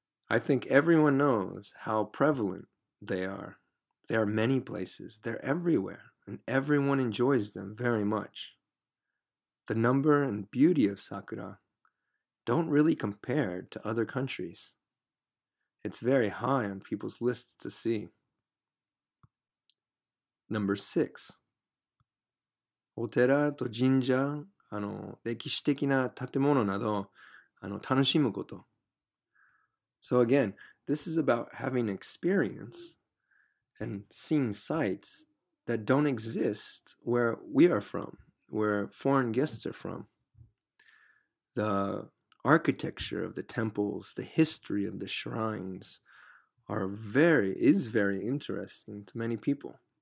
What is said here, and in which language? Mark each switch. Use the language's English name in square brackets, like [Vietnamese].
[English] I think everyone knows how prevalent they are. There are many places. They're everywhere, and everyone enjoys them very much. The number and beauty of sakura don't really compare to other countries. It's very high on people's lists to see. Number 6. [Japanese] お寺と神社、歴史的な建物など、楽しむこと。 [English] So again, this is about having experience and seeing sites that don't exist where we are from, where foreign guests are from. The architecture of the temples, the history of the shrines is very interesting to many people.